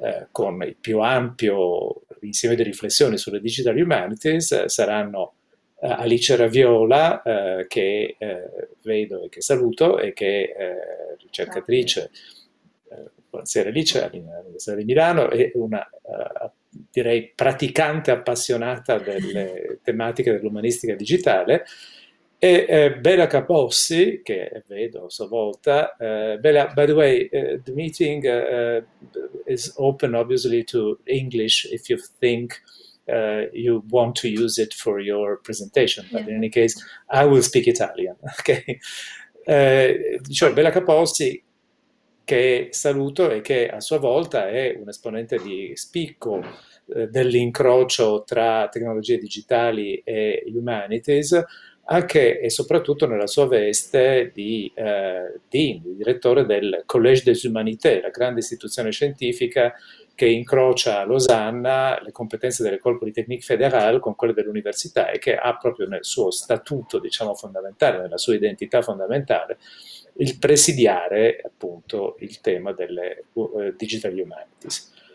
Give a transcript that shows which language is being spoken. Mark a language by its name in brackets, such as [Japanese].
[Italian] con il più ampio insieme di riflessioni sulle digital humanities saranno Alice Raviola, che vedo e che saluto, e che è Grazie. ricercatrice, buonasera Alice, all'Università di Milano, e una direi praticante appassionata delle tematiche dell'umanistica digitale, e Bela Capossi, che vedo a sua volta. [English] Bela, by the way, the meeting is open obviously to English if you think you want to use it for your presentation, but in any case, I will speak Italian. Okay. [Italian] Dicevo, Bela Capossi, che saluto e che a sua volta è un esponente di spicco dell'incrocio tra tecnologie digitali e humanities, anche e soprattutto nella sua veste di dean, di direttore del Collège des Humanités, la grande istituzione scientifica che incrocia a Losanna le competenze dell'École Polytechnique Fédérale con quelle dell'università e che ha proprio nel suo statuto, diciamo, fondamentale, nella sua identità fondamentale, il presidiare appunto il tema delle digital humanities.